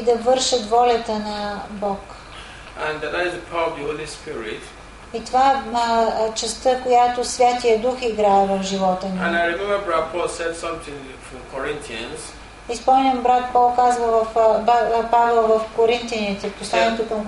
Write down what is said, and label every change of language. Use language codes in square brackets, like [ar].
[bg] И да вършат волята на Бог. [en] And that is the power of the Holy Spirit. [bg] И това е частта, която Святия Дух играе в живота ни. [en] And I remember Brother Paul said something for Corinthians. [bg] Изпомням брат Пол казва в Павел в Коринтините, посланието към